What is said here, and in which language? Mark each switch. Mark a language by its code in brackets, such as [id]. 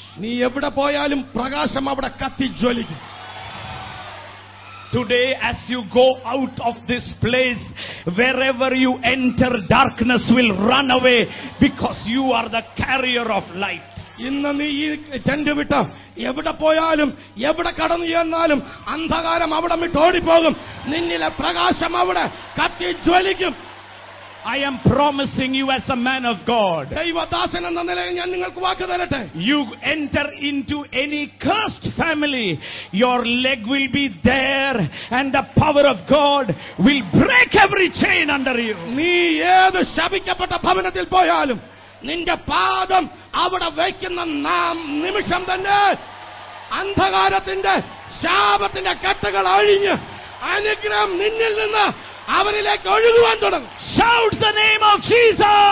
[en] Today, as you go out of this place, wherever you enter, darkness will run away because you are the carrier of light. [ml] ഇന്ന് നീ ഈ tent വിട്ട് എവിടെ പോയാലും എവിടെ കടന്നു ചെന്നാലും അന്ധകാരം അവിടെ വിട്ട് ഓടിപ്പോകും, നിന്നിലെ പ്രകാശം അവിടെ കത്തി ജ്വലിക്കും. [en] I am promising you as a man of God. [ml] ദൈവദാസനെ എന്ന നിലയിൽ ഞാൻ നിങ്ങൾക്ക് വാക്കു തരട്ടെ. [en] You enter into any cursed family, your leg will be there and the power of God will break every chain under you. [ml] നീ ഏത് ശപിക്കപ്പെട്ട ഭവനത്തിൽ പോയാലും നിന്റെ പാദം അവിടെ വയ്ക്കുന്ന നാം നിമിഷം തന്നെ അന്ധകാരത്തിന്റെ ശാപത്തിന്റെ കെട്ടുകൾ അഴിഞ്ഞ് അനുഗ്രഹം നിന്നിൽ നിന്ന് അവരിലേക്ക് ഒഴുകുവാൻ തുടങ്ങും. [en] Shout the name of Jesus.